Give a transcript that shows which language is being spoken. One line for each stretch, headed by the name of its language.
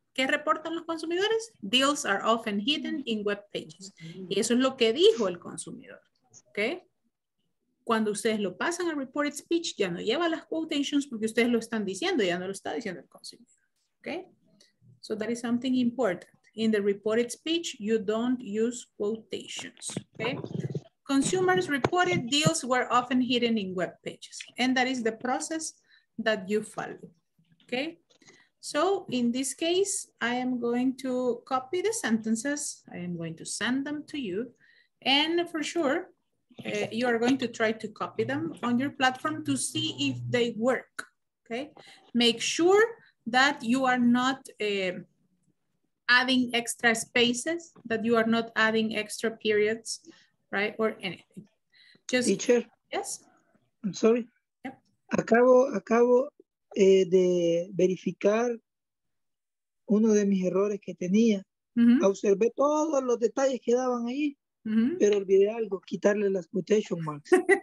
Spanish: ¿Qué reportan los consumidores?
English: Deals are often hidden in web pages.
Spanish: Y eso es lo que dijo el consumidor. Okay. Cuando ustedes lo pasan al reported speech, ya no lleva las quotations porque ustedes lo están diciendo, ya no lo está diciendo el consumidor, okay?
English: So that is something important. In the reported speech, you don't use quotations, okay? Consumers reported deals were often hidden in web pages, and that is the process that you follow, okay? So in this case, I am going to copy the sentences, I am going to send them to you, and for sure, you are going to try to copy them on your platform to see if they work, okay? Make sure that you are not adding extra spaces, that you are not adding extra periods, right? Or anything. Just, teacher? Yes? I'm sorry. Yep.
Spanish: Acabo de verificar uno de mis errores que tenía. Mm-hmm. Observé todos los detalles que daban ahí. Mm-hmm. Pero olvidé algo, quitarle las quotation marks.